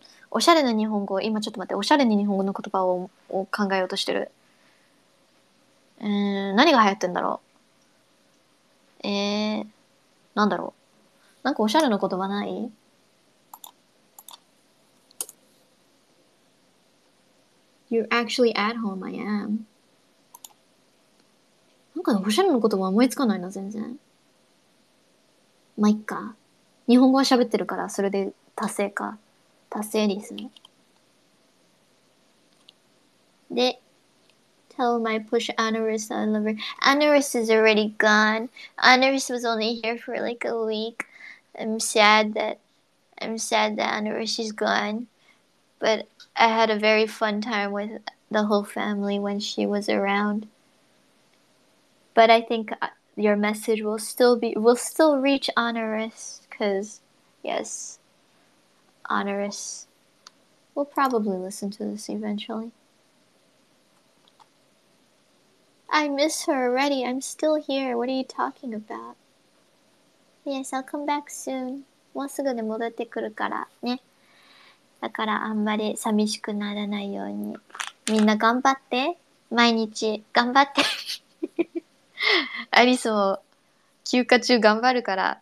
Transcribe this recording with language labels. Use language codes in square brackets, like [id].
[ja] おしゃれな日本語。今ちょっと待って。おしゃれな日本語の言葉 を考えようとしてる。何が流行ってんだろう。なんだろう。なんかおしゃれな言葉ない？ [en] You're actually at home, I am. [ja] なんかおしゃれな言葉思いつかないな、全然。まあ、いっか。日本語は喋ってるから、それで達成か。達成です。 [en] で、Tell my push Anaris I love her. Anaris is already gone. Anaris was only here for like a week. I'm sad that Anaris is gone. But I had a very fun time with the whole family when she was around. But I think your message will still reach Honoris, because yes, Honoris will probably listen to this eventually. I miss her already. I'm still here. What are you talking about? Yes, I'll come back soon. [ja] もうすぐで戻ってくるからね。だからあんまり寂しくならないようにみんな頑張って。毎日頑張って。アリスも休暇中頑張るから。